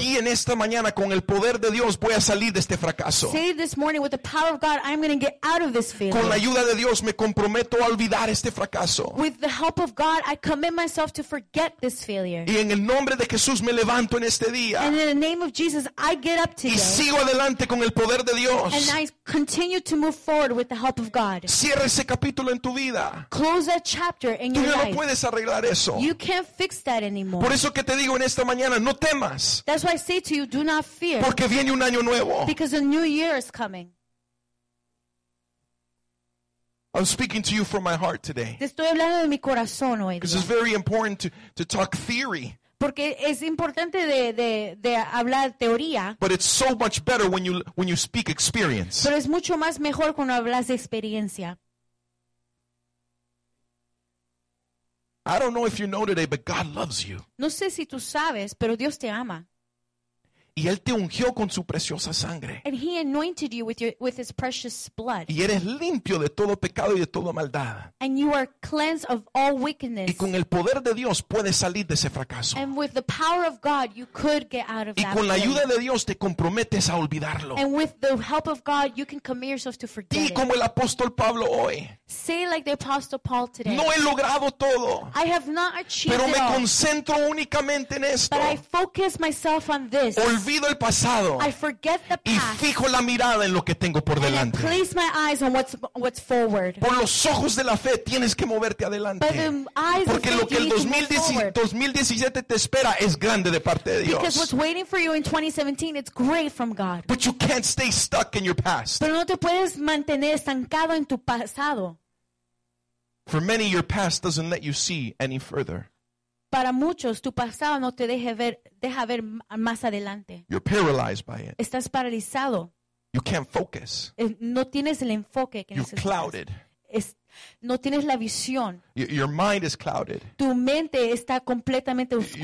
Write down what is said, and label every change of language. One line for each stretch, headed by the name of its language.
Spanish: Y en esta mañana con el poder de Dios voy a salir de este fracaso.
English: Say this morning with the power of God I'm going to get out of this failure.
Spanish: Con la ayuda de Dios me comprometo a olvidar este fracaso.
English: With the help of God I commit myself to forget this failure.
Spanish: Y en el nombre de Jesús me levanto en este día.
English: And in the name of Jesus, I get up today.
Spanish: Y sigo adelante con el poder de Dios.
English: And I continue to move forward with the help of God.
Spanish: Cierra ese capítulo en tu vida.
English: Close that chapter in
Spanish: tú
English: your
Spanish: no
English: life.
Spanish: No puedes arreglar eso.
English: You can't fix that anymore.
Spanish: Por eso que te digo en esta mañana, no temas.
English: That's why I say to you, do not fear.
Spanish: Porque viene un año nuevo.
English: Because a new year is coming. I'm speaking to you from my heart today.
Spanish: Te estoy hablando de mi corazón hoy.
English: Because it's very important to talk theory.
Spanish: Porque es importante de hablar teoría.
English: But it's so much better when you speak experience.
Spanish: Pero es mucho más mejor cuando hablas de experiencia.
English: I don't know if you know today, but God loves you.
Spanish: No sé si tú sabes, pero Dios te ama. Y Él te ungió con su preciosa sangre.
English: And He anointed you with His precious blood.
Spanish: Y eres limpio de todo pecado y de toda maldad.
English: And you are cleansed of all wickedness.
Spanish: Y con el poder de Dios puedes salir de ese fracaso.
English: And with the power of God you could get out of
Spanish: that. Y con la ayuda de Dios te comprometes a olvidarlo.
English: And with the help of God you can commit yourself to forget it.
Spanish: Y como el apóstol Pablo hoy.
English: Say like the apostle Paul today.
Spanish: No he logrado todo.
English: I have not achieved it.
Spanish: Pero me concentro únicamente en esto.
English: But I focus myself on this.
Spanish: Olvido el pasado.
English: I forget the past.
Spanish: Y fijo la mirada en lo que tengo por delante.
English: And I place my eyes on what's forward.
Spanish: Por los ojos de la fe tienes que moverte adelante.
English: But the eyes
Spanish: porque
English: of
Spanish: lo que el 2017 te espera es grande de parte de Dios.
English: Because what's waiting for you in 2017 it's great from God. But you can't stay stuck in your past.
Spanish: Pero no te puedes mantener estancado en tu pasado.
English: For many, your past doesn't let you see any further.
Spanish: Para muchos, tu pasado no te deja ver más adelante.
English: You're paralyzed by it.
Spanish: Estás paralizado.
English: You can't focus.
Spanish: No tienes el enfoque que necesitas.
English: You're clouded.
Spanish: No tienes la visión.
English: Your mind is clouded.
Spanish: Tu mente está completamente oscura.